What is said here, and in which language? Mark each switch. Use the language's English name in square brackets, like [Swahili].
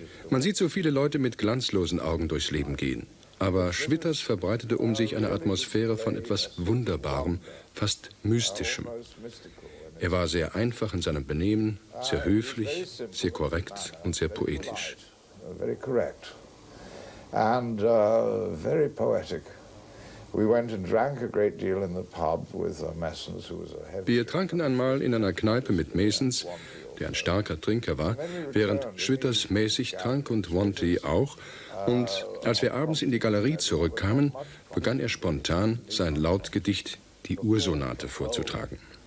[German] Man sieht so viele Leute mit glanzlosen Augen durchs Leben gehen. Aber Switters verbreitete um sich eine Atmosphäre von etwas Wunderbarem, fast Mystischem. Er war sehr einfach in seinem Benehmen, sehr höflich, sehr korrekt und sehr poetisch. [English] And very poetic. We went and drank a great deal in the pub with Messens, who was a heavy. [German] Wir tranken einmal in einer Kneipe mit Messens, der ein starker Trinker war, während Switters mäßig trank und Wanty auch. Und als wir abends in die Galerie zurückkamen, begann er spontan sein Lautgedicht, die Ursonate, vorzutragen.